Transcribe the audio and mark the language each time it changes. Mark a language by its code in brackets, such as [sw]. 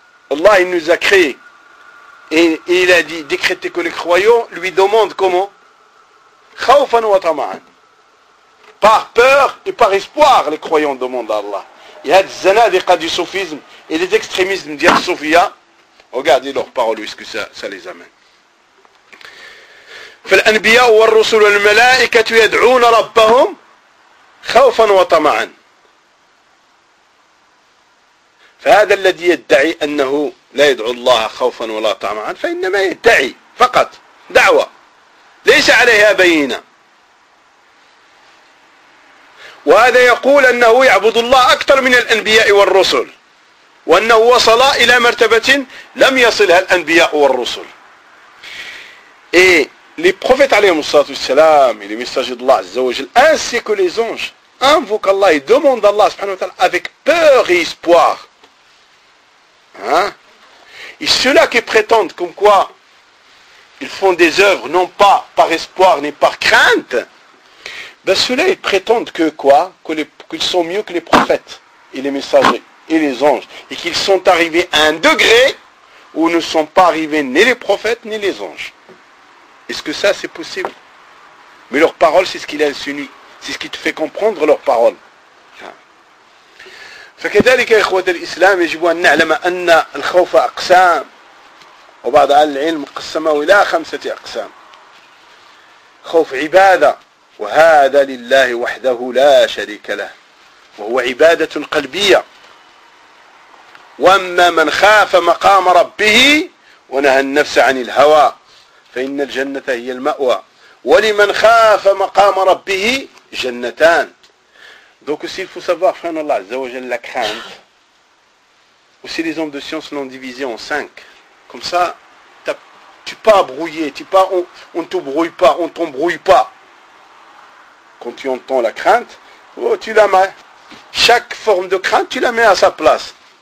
[fr] Allah, il nous a créés. Et il a dit, décrété que les croyants lui demandent comment? Khawfan wa tama'an. Par peur et par espoir, les croyants demandent à Allah. Il y a des zanadiqa du soufisme et des extrémismes d'Al-Soufia. Regardez leurs paroles, où est-ce que ça les amène. [ar] فالأنبياء والرسل والملائكة يدعون ربهم خوفا وطمعا فهذا الذي يدعي أنه لا يدعو الله خوفا ولا طمعا فإنما يدعي فقط دعوة ليس عليها بينة وهذا يقول أنه يعبد الله أكثر من الأنبياء والرسل وأنه وصل إلى مرتبة لم يصلها الأنبياء والرسل إيه [fr] Les prophètes, alayhi salam, et les messagers d'Allah, azzawajal, ainsi que les anges, invoquent Allah et demandent Allah, subhanahu wa ta'ala, avec peur et espoir. Hein? Et ceux-là qui prétendent comme quoi ils font des œuvres, non pas par espoir, ni par crainte, ben ceux-là, ils prétendent que quoi? Qu'ils sont mieux que les prophètes, et les messagers, et les anges, et qu'ils sont arrivés à un degré où ne sont pas arrivés ni les prophètes, ni les anges. Est-ce que ça, c'est possible? Mais leurs paroles, c'est ce qui les insinue. C'est ce qui te fait comprendre leurs paroles. [ar] فَكَذَلِكَ إِخْوَةَ الْإِسْلَامِ يَجِبُ أَنْ نَعْلَمَ أَنَّ الْخَوْفَ أَقْسَامِ وَبَعْدَ أَلْ الْعِلْمِ قَسَّمَهُ إِلَى خَمْسَةِ أَقْسَامِ خوف عبادة وهذا لله وحده لا شريك له وهو عبادة قلبية وَأَمَّا مَنْ خَافَ مَقَامَ رَبِّهِ وَنَهَى النَّفْسَ عَنِ الْهَوَى فإن الجنة هي المأوى ولمن خاف مقام ربه جنتان [fr] Donc aussi il faut savoir, frère Allah, Azzawajal, la crainte. Aussi les hommes de science l'ont divisé en cinq. Comme ça, tu n'es pas brouillé, on ne t'embrouille pas, on ne t'embrouille pas. Quand tu entends la crainte, oh, tu la mets. Chaque forme de crainte, tu la mets à sa place.